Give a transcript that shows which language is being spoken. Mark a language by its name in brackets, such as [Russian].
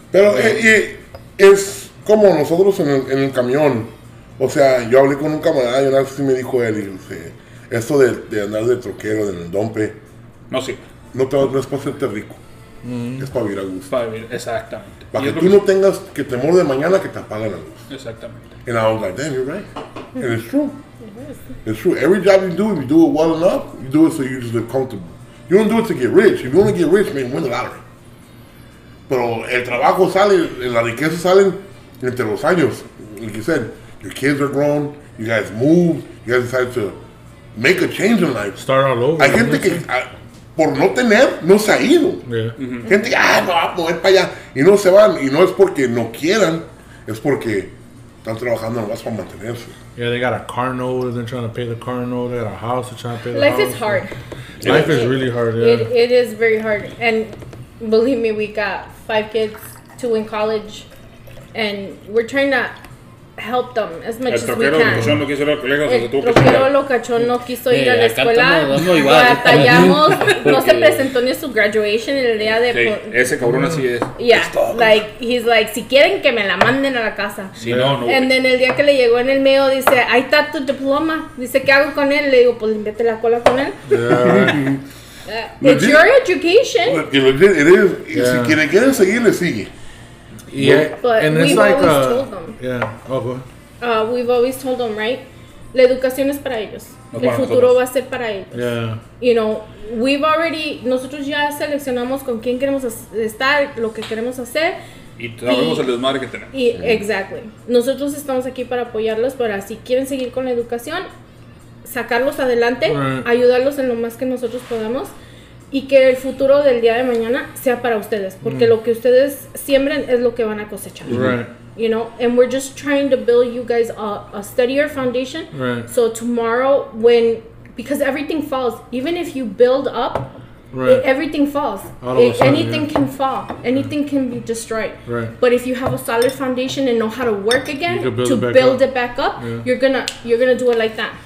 [Spanish] Pero es como nosotros en el camión. O sea, yo hablé con un camarada y una vez sí me dijo él y dice, esto de andar de troquero, de dompe. No, sí. No es para hacerte rico. Es para vivir a gusto. Para vivir, exactamente. Para que tú no tengas que temor de mañana que te apaguen la luz. Exactamente. [English] And I was like, damn, you're right. And it's true. It's true. Every job you do it well enough, you do it so you just live comfortable. You don't do it to get rich. If you want to get rich, man, win the lottery. [Spanish] Pero el trabajo sale, la riqueza sale entre los años. [English] Like you said, your kids are grown. You guys moved. You guys decided to make a change in life. Start all over. [Spanish] Hay gente que, por no tener, no se ha ido. [English] Yeah. [Spanish] Mm-hmm. Gente, no va a mover para allá. Y no se van. Y no es porque no quieran. Es porque están trabajando nomás para mantenerse. [English] Yeah, they got a car note. They're trying to pay the car note. They got a house. They're trying to pay the life house. Life is hard. Life is really hard, yeah. It is very hard. And believe me, we got 5 kids, 2 in college. And we're trying to help them as much as we can. [Spanish] El troquero locachón no quiso ir a la escuela. Batallamos. No se presentó ni a su graduation el día de... Ese cabrón así es. [English] Yeah, like, he's like, [Spanish] si quieren que me la manden a la casa. Si no, no. [English] And then [Spanish] el día que le llegó en el mail, dice, ahí está tu diploma. Dice, ¿qué hago con él? Le digo, pues limpiate la cola con él. [English] It's your education. It is. [Spanish] Y si quieren, quieren seguir, le sigue. [English] Yeah, but we've like always told them. Yeah. We've always told them, right? [Spanish] La educación es para ellos. El futuro va a ser para ellos. [English] Yeah. You know, we've already, [Spanish] nosotros ya seleccionamos con quién queremos estar, lo que queremos hacer. Y sabemos el desmadre que tenemos. Y, exactly. Nosotros estamos aquí para apoyarlos, para si quieren seguir con la educación, sacarlos adelante, right. Ayudarlos en lo más que nosotros podamos. Y que el futuro del día de mañana sea para ustedes. Porque lo que ustedes siembren es lo que van a cosechar. [English] Right. You know? And we're just trying to build you guys a steadier foundation. Right. So tomorrow when... Because everything falls. Even if you build up, right. Everything falls. Anything can fall. Anything can be destroyed. Right. But if you have a solid foundation and know how to work again, to build it back up, you're gonna do it like that.